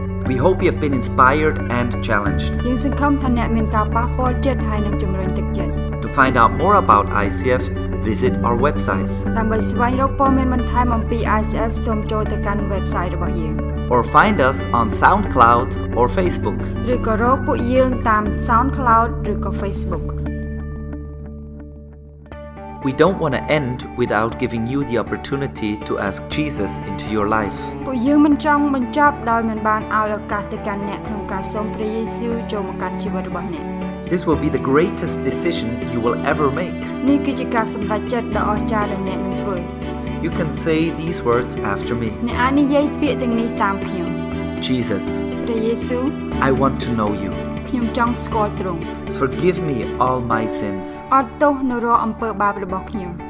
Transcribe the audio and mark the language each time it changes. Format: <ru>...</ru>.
<en>We hope you have been inspired and challenged.</en> <km>យើងសង្ឃឹមថាអ្នកមានការប៉ះពាល់ចិត្តហើយនឹងជំរុញទឹកចិត្ត</km> <en>To find out more about ICF, visit our website.</en> <km>ដើម្បីស្វែងរកព័ត៌មានបន្ថែមអំពី ICF សូមចូលទៅកាន់ website របស់យើង</km> <en>Or find us on SoundCloud or Facebook.</en> <km>ឬក៏រកពួកយើងតាម SoundCloud ឬក៏ Facebook.</km> <en>We don't want to end without giving you the opportunity to ask Jesus into your life.</en> <km>ពួកយើងមិនចង់បញ្ចប់ដោយមិនបានឲ្យឱកាសទៅកាន់អ្នកក្នុងការសូមព្រះយេស៊ូវចូលមកកាន់ជីវិតរបស់អ្នក.</km> <en>This will be the greatest decision you will ever make.</en> <km>នេះគឺជាការសម្រេចចិត្តដ៏អស្ចារ្យដែលអ្នកនឹងធ្វើ.</km> <en>You can say these words after me.</en> <km>អ្នកអាចនិយាយពាក្យទាំងនេះតាមខ្ញុំ.</km> <en>Jesus.</en> <km>ព្រះយេស៊ូវ.</km> <en>I want to know you.</en> <km>ខ្ញុំចង់ស្គាល់ទ្រង់.</km> <en>Forgive me all my sins.</en> <km>អត់ទោសនរអំពើបាបរបស់ខ្ញុំ.</km>